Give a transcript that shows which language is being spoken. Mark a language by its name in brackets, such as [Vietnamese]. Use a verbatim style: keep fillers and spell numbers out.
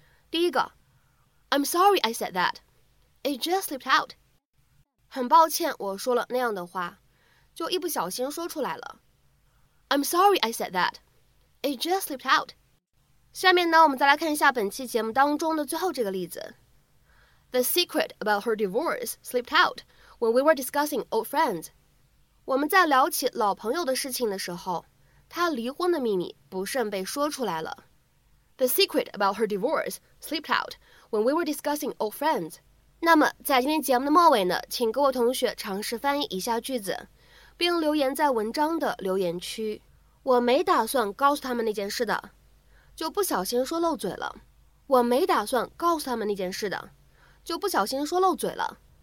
[Chinese] 第一个 [English] ，I'm sorry I said that. It just slipped out。 [Chinese] 很抱歉，我说了那样的话，就一不小心说出来了。 [English] I'm sorry I said that. It just slipped out. [Chinese] 下面呢，我们再来看一下本期节目当中的最后这个例子。 [English] The secret about her divorce slipped out when we were discussing old friends. [Chinese] 我们在聊起老朋友的事情的时候，她离婚的秘密不慎被说出来了。 [English] The secret about her divorce slipped out when we were discussing old friends. [Chinese] 那么在今天节目的末尾呢，请各位同学尝试翻译以下句子，并留言在文章的留言区。我没打算告诉他们那件事的，就不小心说漏嘴了。我没打算告诉他们那件事的，就不小心说漏嘴了。